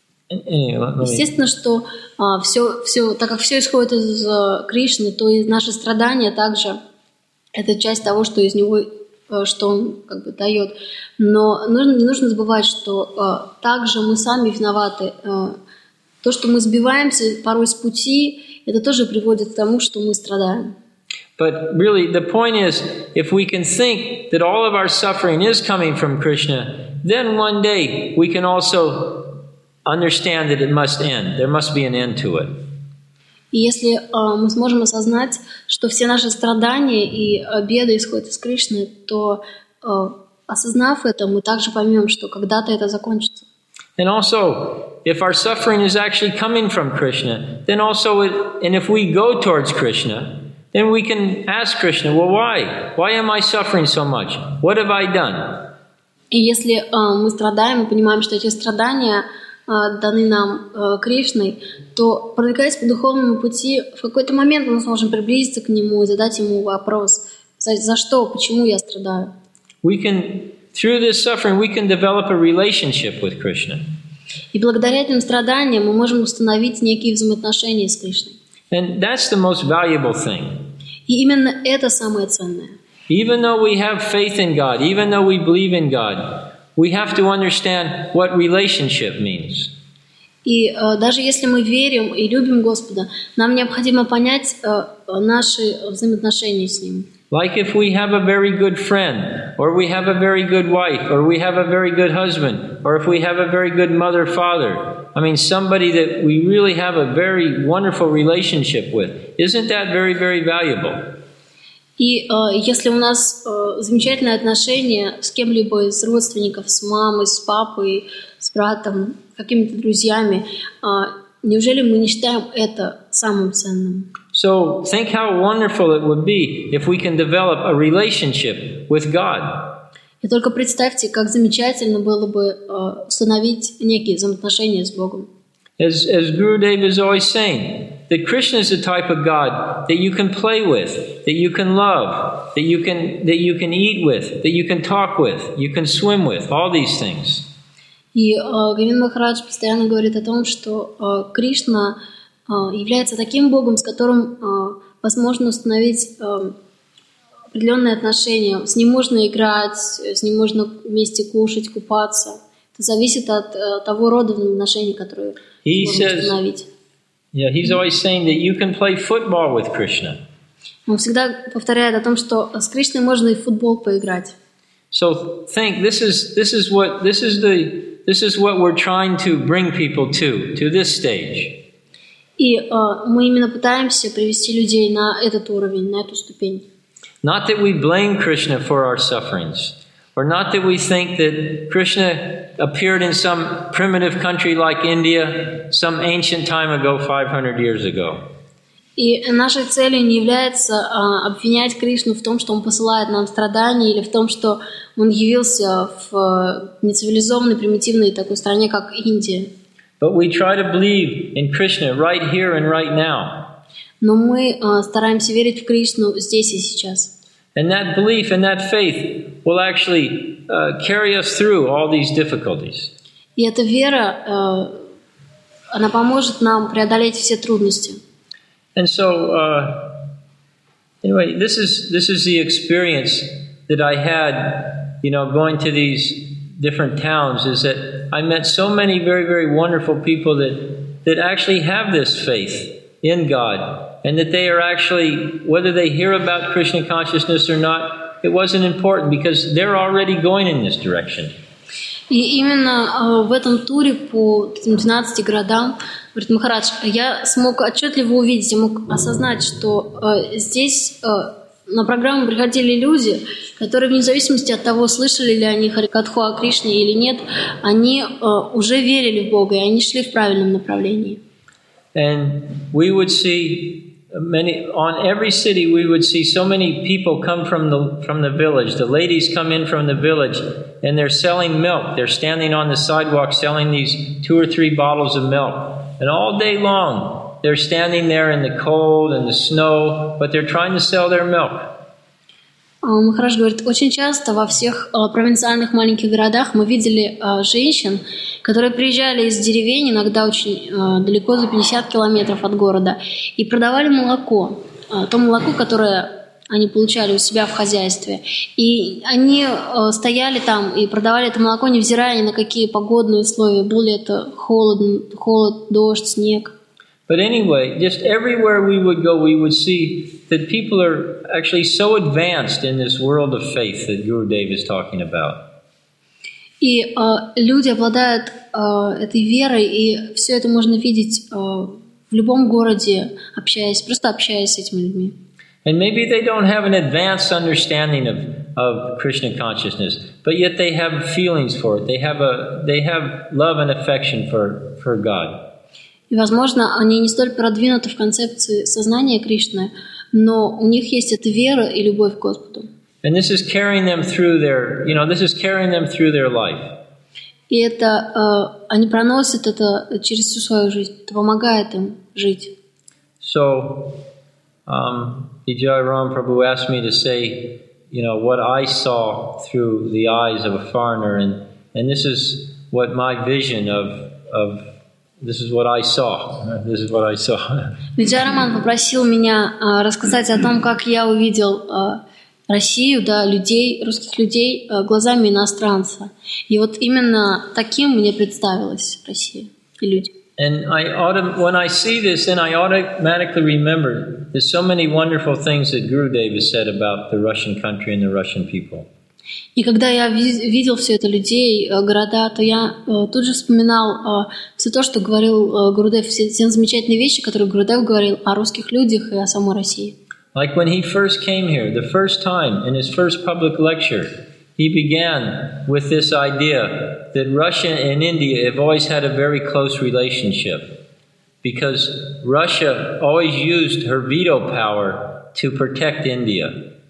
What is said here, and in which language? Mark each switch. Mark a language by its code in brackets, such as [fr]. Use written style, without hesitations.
[ru] Естественно, что все, так как все исходит из Кришны, то и наши страдания также это часть того, что из него, что он как бы дает. Но не нужно забывать, что также мы сами виноваты. То, что мы сбиваемся порой с пути, это тоже приводит к тому, что мы страдаем. [en] But really, the point is, if we can think that all of our suffering is coming from Krishna, then one day we can also understand that it must end. There must be an end to it. [ru] Если мы сможем осознать, что все наши страдания и беды исходят из Кришны, то осознав это, мы также поймем, что когда-то это закончится. [en] And also, if our suffering is actually coming from Krishna, then also, and if we go towards Krishna, then we can ask Krishna, well, why? Why am I suffering so much? What have I done? [ru] И если мы страдаем, мы понимаем, что эти страдания даны нам Кришной, то, продвигаясь по духовному пути, в какой-то момент мы сможем приблизиться к Нему и задать Ему вопрос, за что, почему я страдаю. [en] We can, through this suffering, we can develop a relationship with Krishna. [ru] И благодаря этим страданиям мы можем установить некие взаимоотношения с Кришной. [en] And that's the most valuable thing. [ru] И именно это самое ценное. [en] Even though we have faith in God, even though we believe in God, we have to understand what relationship means. [ru] И даже если мы верим и любим Господа, нам необходимо понять наши взаимоотношения с Ним. [en] Like if we have a very good friend, or we have a very good wife, or we have a very good husband, or if we have a very good mother, father, I mean somebody that we really have a very wonderful relationship with, isn't that very, very valuable? [ru] И если у нас замечательные отношения с кем-либо из родственников, с мамой, с папой, с братом, какими-то друзьями, неужели мы не считаем это самым ценным? [en] So think how wonderful it would be if we can develop a relationship with God. [ru] И только представьте, как замечательно было бы установить некие взаимоотношения с Богом. [en] As Gurudev is always saying, that Krishna is the type of God that you can play with, that you can love, that you can eat with, that you can talk with, you can swim with, all these things. [ru] И Гавин Махарадж постоянно говорит о том, что Кришна является таким Богом, с которым возможно установить определенные отношения. С ним можно играть, с ним можно вместе кушать, купаться. Это зависит от того рода взаимоотношений, которые можно установить. [en] Yeah, he's always saying that you can play football with Krishna. [ru] Он всегда повторяет о том, что с Кришной можно и в футбол поиграть. [en] So think, this is what we're trying to bring people to this stage. [ru] И мы именно пытаемся привести людей на этот уровень, на эту ступень. [en] Not that we blame Krishna for our sufferings. Or not that we think that Krishna appeared in some primitive country like India some ancient time ago, 500 years ago. [ru] И нашей целью не является обвинять Кришну в том, что Он посылает нам страдания, или в том, что Он явился в нецивилизованной, примитивной такой стране, как Индия. [en] But we try to believe in Krishna right here and right now. [ru] Но мы стараемся верить в Кришну здесь и сейчас. [en] And that belief and that faith will actually carry us through all these difficulties. [ru] И эта вера, она поможет нам преодолеть все трудности. [en] And so, anyway, this is the experience that I had, you know, going to these different towns, is that I met so many very, very wonderful people that actually have this faith in God. And that they are actually, whether they hear about Krishna consciousness or not, it wasn't important because they're already going in this direction. [ru] И именно в этом туре по 12 городам, говорит Махарадж, я смог отчетливо увидеть, я мог осознать, что здесь на программу приходили люди, которые вне зависимости от того, слышали ли они Харикатху о Кришне или нет, они уже верили в Бога, и они шли в правильном направлении. [en] And we would see many on every city we would see so many people come from the village. The ladies come in from the village and they're selling milk. They're standing on the sidewalk selling these two or three bottles of milk. And all day long they're standing there in the cold and the snow, but they're trying to sell their milk. [ru] Махарадж говорит, очень часто во всех провинциальных маленьких городах мы видели женщин, которые приезжали из деревень, иногда очень далеко, за 50 километров от города, и продавали молоко, то молоко, которое они получали у себя в хозяйстве. И они стояли там и продавали это молоко, невзирая ни на какие погодные условия, был ли это холод, дождь, снег. [en] But anyway, just everywhere we would go, we would see that people are actually so advanced in this world of faith that Gurudev is talking about. [ru] И люди обладают этой верой, и все это можно видеть в любом городе, просто общаясь с этими людьми. [en] And maybe they don't have an advanced understanding of Krishna consciousness, but yet they have feelings for it. They have love and affection for God. [ru] И, возможно, они не столь продвинуты в концепции сознания Кришны, но у них есть эта вера и любовь к Господу. [en] And this is carrying them through their, you know, this is carrying them through their life. [ru] И это они проносят это через всю свою жизнь, это помогает им жить. [en] So, Vijay Ram Prabhu asked me to say, you know, what I saw through the eyes of a foreigner, and this is what my vision of this is what I saw. This is what I saw. [ru] Vijay Raman попросил меня рассказать о том, как я увидел Россию, да, людей, русских людей глазами иностранца. И вот именно таким мне представилась Россия и люди. [en] And when I see this, then I automatically remember there's so many wonderful things that Gurudev has said about the Russian country and the Russian people. [ru] И когда я видел все это, людей, города, то я тут же вспоминал все то, что говорил Гурудев, все замечательные вещи, которые Гурудев говорил о русских людях и о самой России. [en] Like when he first came here, the first time in his first public lecture, he began with this idea that Russia and India have always had a very close relationship, because Russia always used her veto power to protect India.